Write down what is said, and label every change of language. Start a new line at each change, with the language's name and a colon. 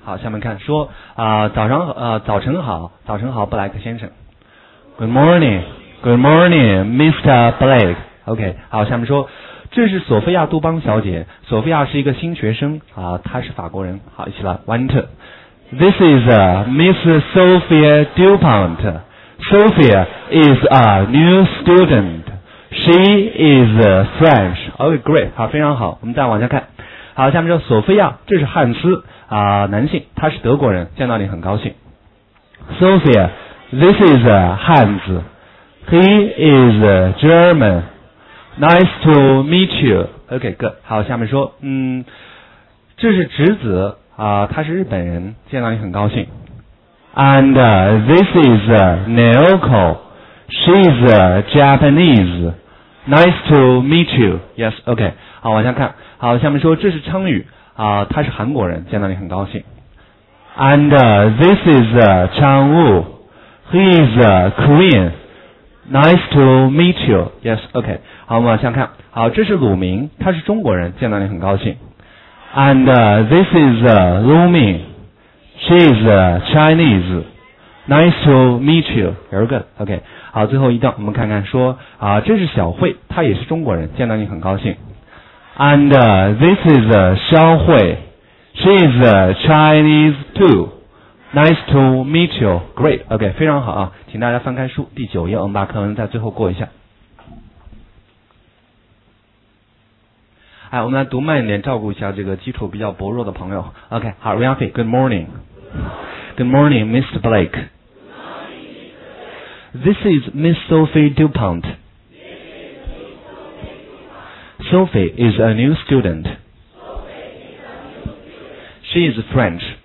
Chinese: 好，下面看说早晨好，布莱克先生。
English: Good morning, Mr. Blake.
Chinese: OK, 好，下面说这是索菲亚杜邦小姐，索菲亚是一个新学生啊，她是法国人。好，一起来 ，
English: One, two. This is Miss Sophia DuPont. Sophia is a new student. She is French. OK, great.
Chinese: 好，非常好，我们再往下看。好，下面叫索菲亚，这是汉斯啊，男性，他是德国人，见到你很高兴。
English: Sophia, this is Hans, he is German. Nice to meet you. OK, good.
Chinese: 好，下面说，这是侄子啊，他是日本人，见到你很高兴。
English: And this is Naoko, she is Japanese. Nice to meet you. Yes, OK.
Chinese: 好，往下看。好，下面说这是昌宇啊，他是韩国人，见到你很高兴。
English: And this is Chang Wu, he is Korean. Nice to meet you. Yes, OK.
Chinese: 好，我们往下看。好，这是鲁明，他是中国人，见到你很高兴。
English: And this is Lu Ming, she is Chinese. Nice to meet you. Very good. OK.
Chinese: 好，最后一段我们看看说啊，这是小慧，她也是中国人，见到你很高兴。
English: And this is Xiao Hui. She is Chinese too. Nice to meet you. Great. OK,
Chinese: 非常好啊。请大家翻开书第九页，我们把课文在最后过一下。哎，我们来读慢一点，照顾一下这个基础比较薄弱的朋友。
English: OK, 好 ,Ryanfi, good morning. Good morning, Mr. Blake. This is Miss Sophie DuPont.Sophie is a new student. She is French.